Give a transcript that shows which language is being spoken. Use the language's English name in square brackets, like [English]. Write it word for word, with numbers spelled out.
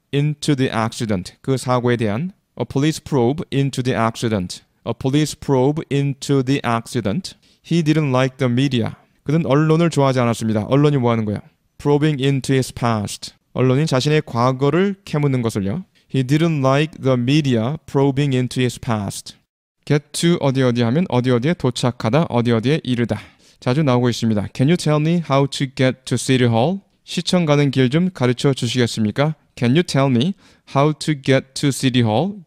[English] into the accident, [Korean] 그 사고에 대한. [English] A police probe into the accident. A police probe into the accident. He didn't like the media. [Korean] 그는 언론을 좋아하지 않았습니다. 언론이 뭐 하는 거야? [English] Probing into his past. [Korean] 언론이 자신의 과거를 캐묻는 것을요. [English] He didn't like the media probing into his past. [Korean] Get to 어디 어디 하면 어디 어디에 도착하다, 어디 어디에 이르다. 자주 나오고 있습니다. [English] Can you tell me how to get to City Hall? [Korean] 시청 가는 길 좀 가르쳐 주시겠습니까? [English] Can you tell me how to get to City Hall?